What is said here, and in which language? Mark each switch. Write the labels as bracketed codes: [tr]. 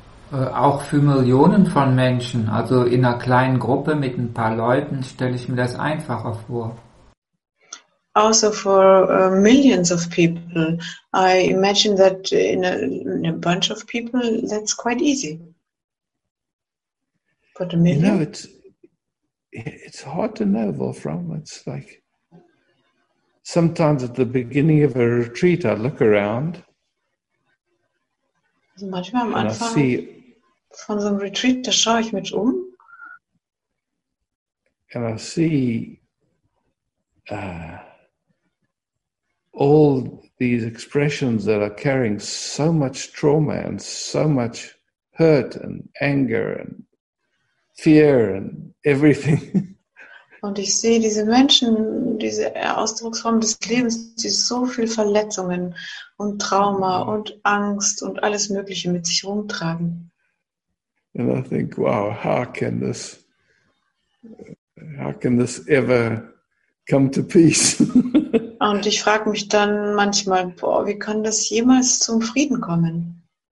[de] Auch für Millionen von Menschen, also in einer kleinen Gruppe mit ein paar Leuten, stelle ich mir das einfacher vor. [en] Also for millions of people, I imagine that in a bunch of people, that's quite easy. But a million? You know, it's hard to know, Wolfram. It's like, sometimes at the beginning of a retreat, I look around. [de] Also manchmal am Anfang. [en] And I see [de] von so einem Retreat, da schaue ich mich um. [en] And I see all these expressions that are carrying so much trauma and so much hurt and anger and fear and everything. [de] Und ich sehe diese Menschen, diese Ausdrucksform des Lebens, die so viel Verletzungen und Trauma und Angst und alles Mögliche mit sich rumtragen. [en] And I think, wow, how can this ever come to peace? [de] Und ich frage mich dann manchmal, boah, wie kann das jemals zum Frieden kommen?